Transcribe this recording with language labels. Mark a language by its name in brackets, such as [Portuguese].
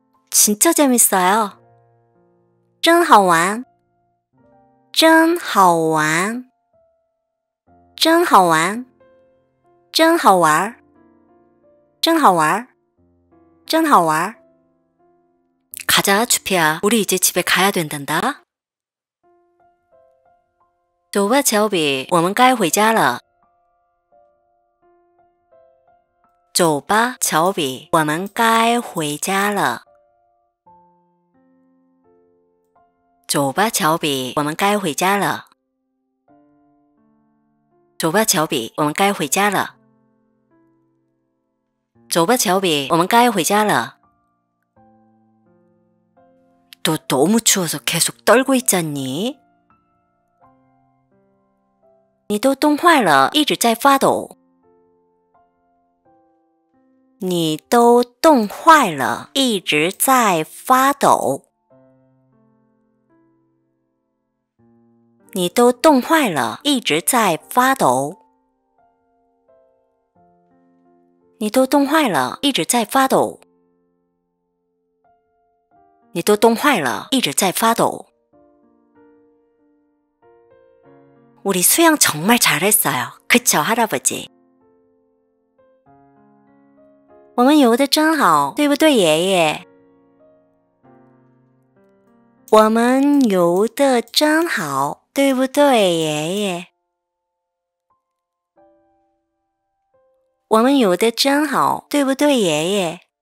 [Korean] 진짜재밌어요。 [Chinese] 真好玩。真好玩。真好玩。真好玩儿，真好玩儿，真好玩儿。 [Korean] 가자추피야우리이제집에가야된단다 [Chinese] 走吧乔比，我们该回家了。走吧乔比，我们该回家了。走吧乔比，我们该回家了。走吧乔比，我们该回家了。走吧乔比，我们该回家了。 [Korean] 너너무추워서계속떨고있잖니。 [Chinese] 你都冻坏了，一直在发抖。你都冻坏了，一直在发抖。你都冻坏了，一直在发抖。你都冻坏了，一直在发抖。你都冻坏了，一直在发抖。 [Korean] 우리수영정말잘했어요그쵸할아버지 [Chinese] 我们游得真好，对不对，爷爷？我们游得真好，对不对，爷爷？我们游得真好，对不对，爷爷？